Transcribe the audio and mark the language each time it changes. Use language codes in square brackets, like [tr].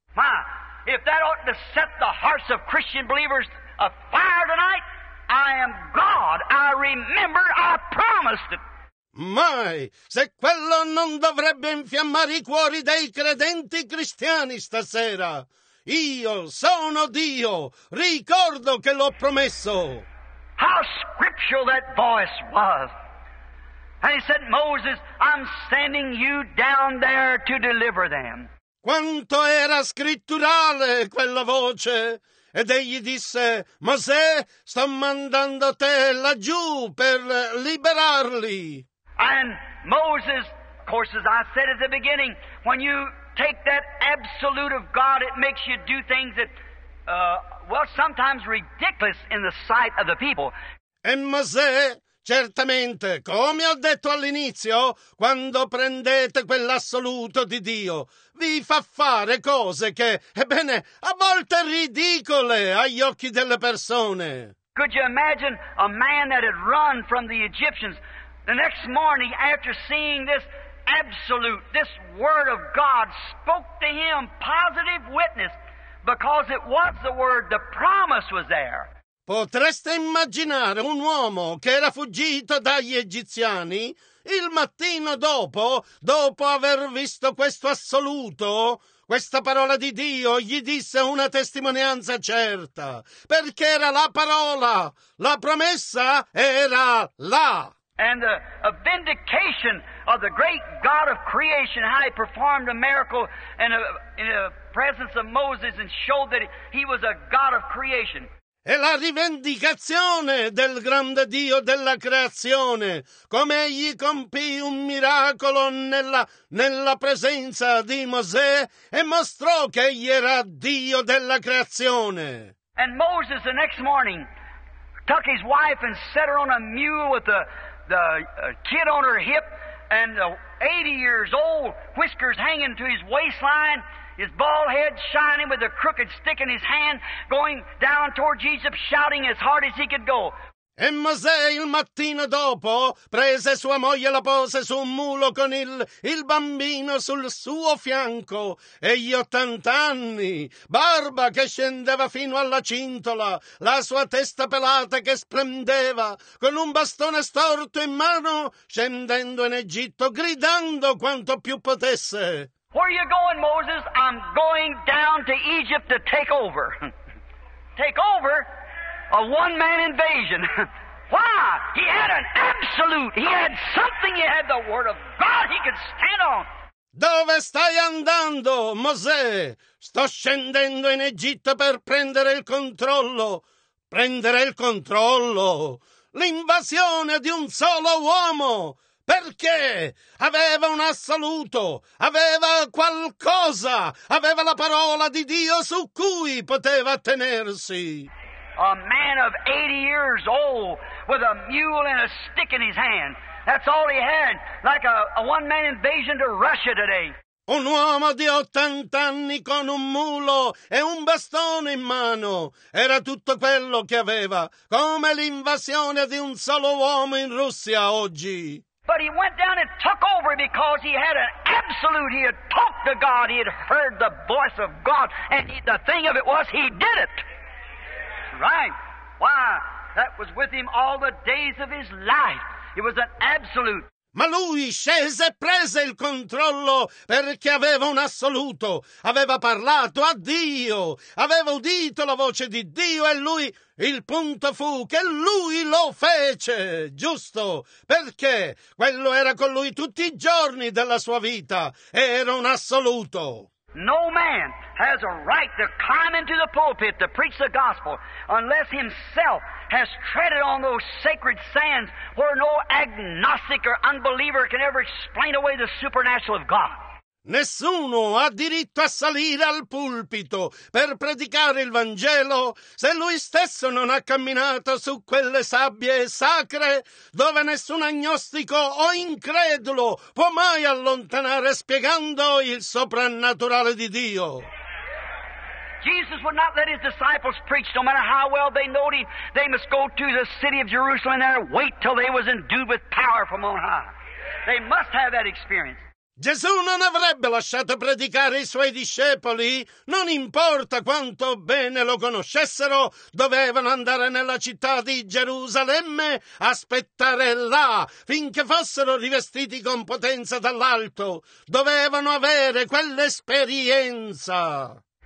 [en] My, if that ought to set the hearts of Christian believers afire tonight, I am God. I remember I promised it. [it] Mai, se quello non dovrebbe infiammare i cuori dei credenti cristiani stasera. Io sono Dio, ricordo che l'ho promesso. [en] How scriptural that voice was. And he said, Moses, I'm sending you down there to deliver them. [it] quanto era scritturale quella voce. Ed egli disse: Mosè sta mandando te laggiù per liberarli. [en] And Moses, of course, as I said at the beginning, when you take that absolute of God, it makes you do things that, well, sometimes ridiculous in the sight of the people. [it] E Mosè, certamente, come ho detto all'inizio, quando prendete quell'assoluto di Dio, vi fa fare cose che, ebbene, a volte ridicole agli occhi delle persone. [en] Could you imagine a man that had run from the Egyptians the next morning after seeing this absolute, this word of God spoke to him, positive witness, because it was the word, the promise was there. [it] Potreste immaginare un uomo che era fuggito dagli egiziani il mattino dopo, dopo aver visto questo assoluto, questa parola di Dio gli disse una testimonianza certa, perché era la parola, la promessa era là. [en] And a vindication of the great God of creation, how he performed a miracle in the presence of Moses and showed that he was a God of creation. [it] E la rivendicazione del grande Dio della creazione, come egli compì un miracolo nella presenza di Mosè e mostrò che egli era Dio della creazione. [en] And Moses the next morning took his wife and set her on a mule with the kid on her hip and the 80 years old, whiskers hanging to his waistline, his bald head shining with a crooked stick in his hand, going down towards Egypt, shouting as hard as he could go. [it] E Mosè il mattino dopo prese sua moglie e la pose su un mulo con il bambino sul suo fianco e gli 80 anni, barba che scendeva fino alla cintola, la sua testa pelata che splendeva, con un bastone storto in mano, scendendo in Egitto, gridando quanto più potesse. [en] Where are you going, Moses? I'm going down to Egypt to take over. Take over? A one-man invasion. Why? He had an absolute. He had something. He had the word of God he could stand on. [it] Dove stai andando, Mosè? Sto scendendo in Egitto per prendere il controllo. Prendere il controllo. L'invasione di un solo uomo. Perché aveva un assoluto, aveva qualcosa, aveva la parola di Dio su cui poteva tenersi. [en] A man of 80 years old with a mule and a stick in his hand. That's all he had, like a one-man invasion to Russia today. [it] Un uomo di 80 anni con un mulo e un bastone in mano. Era tutto quello che aveva, come l'invasione di un solo uomo in Russia oggi. [en] But he went down and took over because he had an absolute. He had talked to God. He had heard the voice of God. And the thing of it was, he did it. Right. Why? That was with him all the days of his life. It was an absolute. [it] Ma lui scese e prese il controllo perché aveva un assoluto. Aveva parlato a Dio. Aveva udito la voce di Dio e lui... Il punto fu che lui lo fece, giusto? Perché quello era con lui tutti i giorni della sua vita. Era un assoluto. [en] No man has a right to climb into the pulpit to preach the gospel unless himself has treaded on those sacred sands where no agnostic or unbeliever can ever explain away the supernatural of God. [it] Nessuno ha diritto a salire al pulpito per predicare il Vangelo se lui stesso non ha camminato su quelle sabbie sacre dove nessun agnostico o incredulo può mai allontanare spiegando il soprannaturale di Dio. [en] Jesus would not let his disciples preach, no matter how well they knew him. They must go to the city of Jerusalem and wait till they was endued with power from on high. They must have that experience. [it] Gesù non avrebbe lasciato predicare i suoi discepoli, non importa quanto bene lo conoscessero, dovevano andare nella città di Gerusalemme, aspettare là, finché fossero rivestiti con potenza dall'alto, dovevano avere quell'esperienza.